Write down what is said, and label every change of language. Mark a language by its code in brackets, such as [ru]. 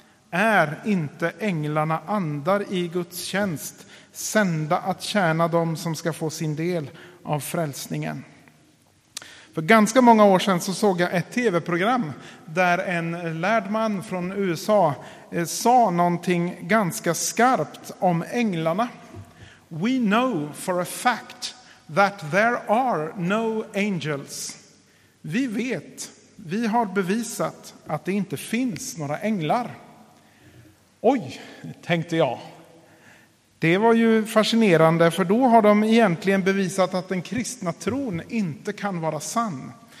[sv] Är inte änglarna andar i Guds tjänst sända att tjäna dem som ska få sin del av frälsningen? För ganska många år sedan så såg jag ett tv-program där en lärd man från USA sa någonting ganska skarpt om änglarna. [en] We know for a fact that there are no angels. [sv] Vi vet, vi har bevisat att det inte finns några änglar. Oj, tänkte jag. Det var ju fascinerande, för då har de egentligen bevisat att den kristna tron inte kan vara sann.